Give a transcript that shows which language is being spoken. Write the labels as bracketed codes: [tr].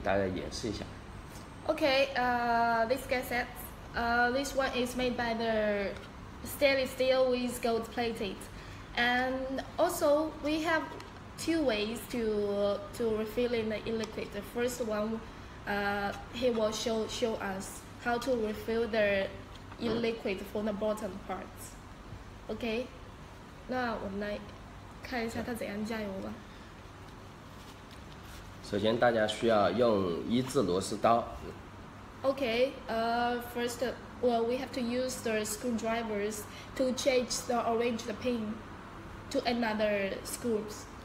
[zh] 需要底部注油的话，是需要更换我们配件包里面的一个专配的一个电极柱螺丝。好，我现在给大家演示一下。Okay, [en] this gasket, this one is made by the stainless steel with gold plated, and also we have two ways to refill in the e-liquid. The first one, he will show us how to refill the e-liquid for the bottom parts. [zh] Okay, 那我们来看一下它怎样加油吧。首先大家需要用一字螺丝刀。 [en] Okay, first, well, we have to use the screwdrivers to change the original pin to another screws.